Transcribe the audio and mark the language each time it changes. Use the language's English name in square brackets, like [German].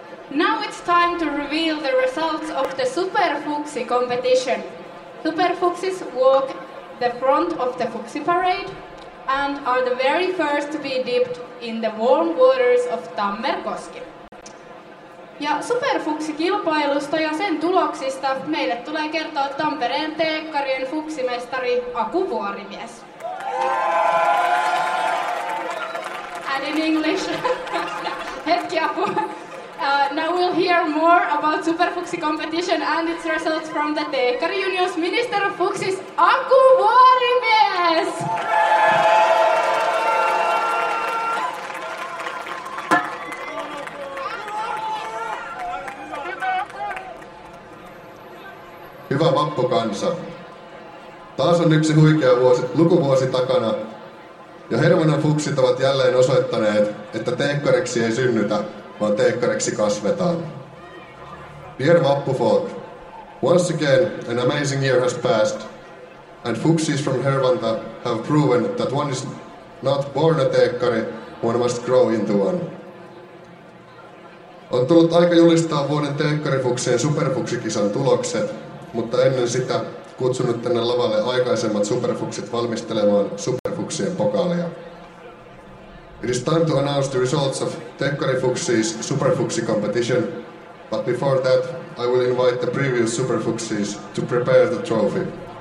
[English] Now it's time to reveal the results of the Super Fuxi competition. Super Fuxis walk the front of the Fuxi parade and are the very first to be dipped in the warm waters of Tammerkoski. [Finnish] Ja Super Fuxi kilpailusta ja sen tuloksista meille tulee kertoa Tampereen teekkarien fuksimestari Aku Vuorimies. [English] And in English. [Finnish] Hetki, apua. [English] Now we'll hear more about Super Fuxi competition and its results from the Teekkari Union's Minister of Fuxis, Aku Vuorimies! [Finnish] Hyvä vappukansa. Taas on yksi huikea vuosi, lukuvuosi takana. Ja Hermannan fuksit ovat jälleen osoittaneet, että teekkareksi ei synnytä, vaan teekkareksi kasvetaan. [English] Dear Vappufolk, once again an amazing year has passed, and fuksis from Hervanta have proven that one is not born a teekkari, one must grow into one. [Finnish] On tullut aika julistaa vuoden teekkarifuksien superfuksikisan tulokset, mutta ennen sitä kutsunut tänne lavalle aikaisemmat superfuksit valmistelemaan superfuksien pokaalia. [English] It is time to announce the results of Teekkari Fuxi's Super Fuxi competition, but before that, I will invite the previous Super Fuxis to prepare the trophy.